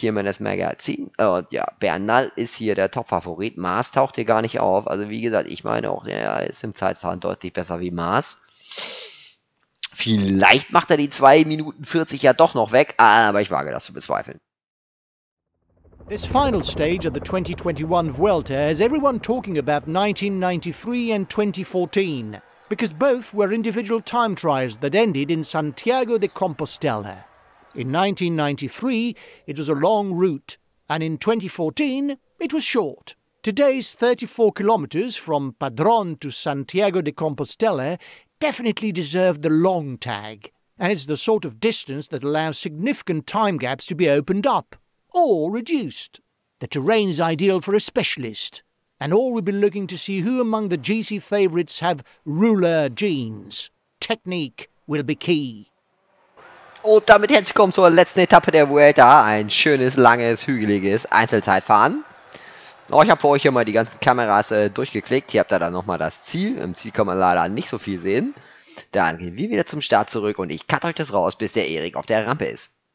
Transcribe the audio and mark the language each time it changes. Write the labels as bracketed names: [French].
[German] Hier haben wir das Magazin. Und ja, Bernal ist hier der Topfavorit. Maas taucht hier gar nicht auf. Also wie gesagt, ich meine auch, er ist im Zeitfahren deutlich besser wie Maas. Vielleicht macht er die 2 Minuten 40 ja doch noch weg, aber ich wage das zu bezweifeln. [English] This final stage of the 2021 Vuelta has everyone talking about 1993 and 2014, because both were individual time trials that ended in Santiago de Compostela. In 1993, it was a long route, and in 2014, it was short. Today's 34 kilometers from Padrón to Santiago de Compostela definitely deserve the long tag, and it's the sort of distance that allows significant time gaps to be opened up, or reduced. The terrain's ideal for a specialist, and all we'll be looking to see who among the GC favorites have ruler genes. Technique will be key. [German] Und damit herzlich willkommen zur letzten Etappe der Vuelta, ein schönes, langes, hügeliges Einzelzeitfahren. Oh, ich habe für euch hier mal die ganzen Kameras durchgeklickt. Hier habt ihr dann nochmal das Ziel. Im Ziel kann man leider nicht so viel sehen. Dann gehen wir wieder zum Start zurück und ich cut euch das raus, bis der Erik auf der Rampe ist.